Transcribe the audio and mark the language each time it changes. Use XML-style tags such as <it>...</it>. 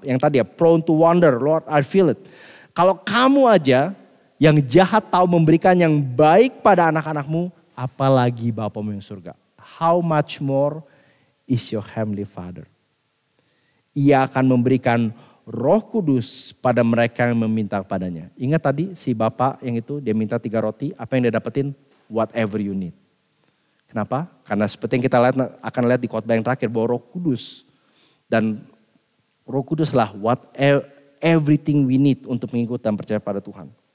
<id>Yang tadi ya,</id> <en>prone to wander, Lord I feel it.</en> <id>Kalau kamu aja yang jahat tahu memberikan yang baik pada anak-anakmu, apalagi Bapamu yang surga.</id> <en>How much more is your heavenly Father?</en> <id>Ia akan memberikan Roh Kudus pada mereka yang meminta padanya. Ingat tadi si bapak yang itu dia minta 3 roti. Apa yang dia dapetin?</id> <en>Whatever you need.</en> <id>Kenapa? Karena seperti yang kita akan lihat di khotbah yang terakhir. Bahwa Roh Kudus. Dan Roh Kudus lah</id> <en>everything we need</en> <id>untuk mengikut dan percaya pada Tuhan.</id>